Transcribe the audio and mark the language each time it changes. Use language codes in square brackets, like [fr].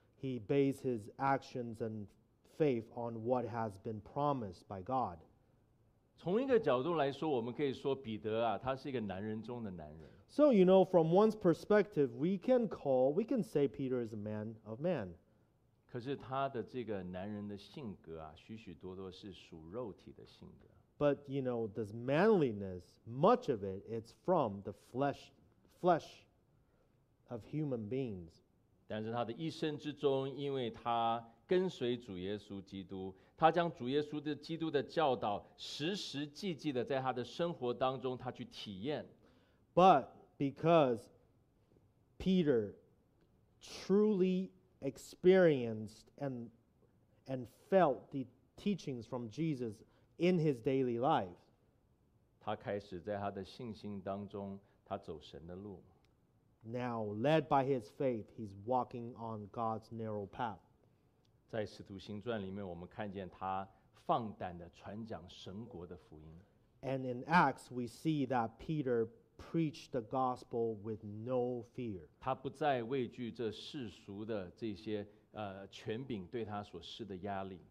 [en] He bases his actions and faith on what has been promised by God. [zh] 从一个角度来说，我们可以说彼得啊，他是一个男人中的男人。 [en] So you know, from one's perspective, we can say Peter is a man of man. [zh] 可是他的这个男人的性格啊，许许多多是属肉体的性格。 [en] But you know, this manliness, much of it, it's from the flesh of human beings. [zh] 但是他的一生之中，因为他跟随主耶稣基督，他将主耶稣的基督的教导实实际际的在他的生活当中，他去体验。 [en] But because Peter truly experienced and felt the teachings from Jesus in his daily life. [zh] 他开始在他的信心当中，他走神的路。 [en] Now, led by his faith, he's walking on God's narrow path. [zh] 在使徒行传里面，我们看见他放胆的传讲神国的福音。 [en] And in Acts, we see that Peter preached the gospel with no fear. [zh] 他不再畏惧这世俗的这些权柄对他所施的压力。